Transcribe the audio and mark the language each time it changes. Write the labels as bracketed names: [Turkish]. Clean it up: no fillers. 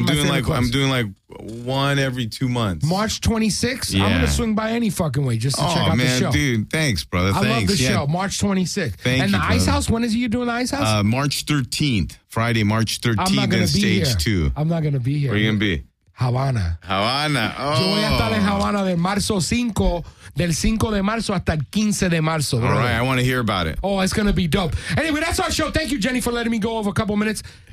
[English] I'm doing like one every 2 months. March 26th? Yeah. I'm going to swing by any fucking way just to check out the show. Dude, thanks, brother. I love the show. March 26th. Thank you, brother. Ice House, when is you doing the Ice House? March 13th. Friday, March 13th, I'm not gonna in be stage here. Two. I'm not going to be here. Where are you going to be? Havana. Havana. Oh. [Spanish] Yo voy a estar en Havana del marzo 5, del 5 de marzo hasta el 15 de marzo. [English] All right, I want to hear about it. Oh, it's going to be dope. Anyway, that's our show. Thank you, Jenny, for letting me go over a couple minutes.